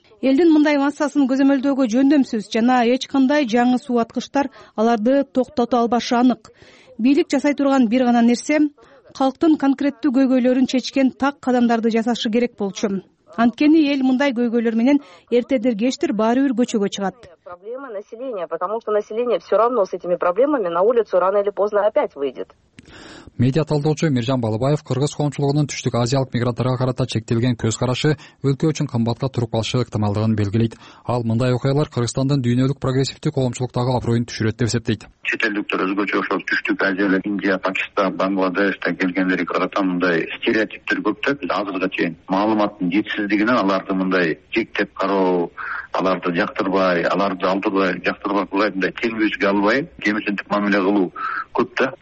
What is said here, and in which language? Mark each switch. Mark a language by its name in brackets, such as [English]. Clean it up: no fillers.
[Kyrgyz] Элдин мындай массасын көзөмөлдөөгө жөндөмсүз жана эч кандай жаңы суу аткычтар аларды токтото албашы анык. Бийлик жасай турган бир гана нерсе калктын конкреттүү көйгөйлөрүн чечкен так кадамдарды жасашы керек болчу. Анткени эл мындай көйгөйлөр менен эртедир кечтир баары бир көчөгө чыгат. [Russian] Проблема населения, потому что население все равно с этими проблемами на улицу рано или поздно опять выйдет. [Kyrgyz] Медиа талдоочу Миржан Балыбаев кыргыз коомчулугунун түштүк азиялык мигранттарга карата чектелген көз карашы өлкө үчүн кымбатка туруп калышы ыктымалдыгын белгилейт. Ал мындай окуялар Кыргызстандын дүйнөлүк прогрессивдүү коомчулуктагы аброюн түшүрөт деп эсептейт. Чет элдүктөр өзгөчө ошол түштүк Азия, Индия, Пакистан, Бангладешке келгендерге карата мындай стереотиптер көптөп, азыркыга чейин маалыматтын жетишсиздигинен аларды мындай чектеп кароо, аларды жактырбай, аларды алдырбай, жактырбай мындай тең бөлүшкө албай кемчилик мамиле кылуу көп да.